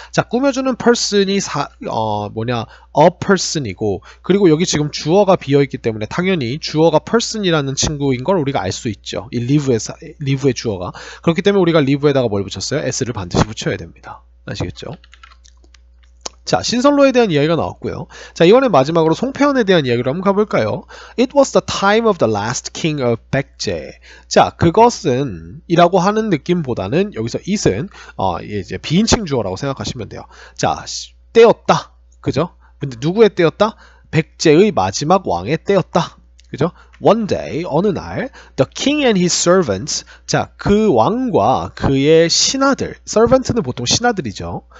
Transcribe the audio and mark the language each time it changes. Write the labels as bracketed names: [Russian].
[Korean] 자, 꾸며주는 person이 뭐냐? A person이고, 그리고 여기 지금 주어가 비어있기 때문에 당연히 주어가 person이라는 친구인 걸 우리가 알수 있죠. 이 live의 주어가. 그렇기 때문에 우리가 live에다가 뭘 붙였어요? S를 반드시 붙여야 됩니다. 아시겠죠? 자, 신선로에 대한 이야기가 나왔고요. 자, 이번에 마지막으로 송편에 대한 이야기를 한번 가볼까요? [English] It was the time of the last king of 백제. [Korean] 자, 그것은 이라고 하는 느낌보다는 여기서 it은 이제 비인칭 주어라고 생각하시면 돼요. 자, 때였다. 그죠? 근데 누구의 때였다? 백제의 마지막 왕의 때였다. 그죠? [English] One day, [Korean] 어느 날, [English] the king and his servants, [Korean] 자, 그 왕과 그의 신하들, servant는 보통 신하들이죠.